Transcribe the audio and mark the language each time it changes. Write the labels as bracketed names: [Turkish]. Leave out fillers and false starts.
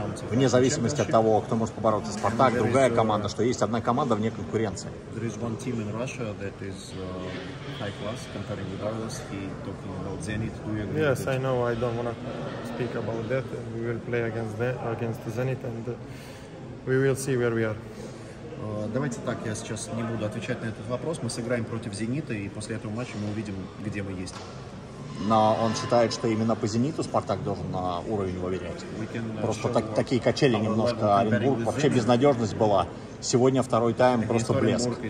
[Russian] Вне зависимости от того, кто может побороться, Спартак, другая команда, что есть одна команда вне конкуренции. [English] There is one team in Russia that is high class comparing with ours. He talking about Zenit. Do you agree? Yes, I know. I don't want to speak about that. We will play against that, against Zenit, and we will see where we are. [Russian] Давайте так, я сейчас не буду отвечать на этот вопрос. Мы сыграем против Зенита, и после этого матча мы увидим, где мы есть. Но он считает, что именно по «Зениту» Спартак должен на уровень выверять. Просто такие качели немножко. Оренбург, вообще безнадежность была. Сегодня второй тайм, просто блеск.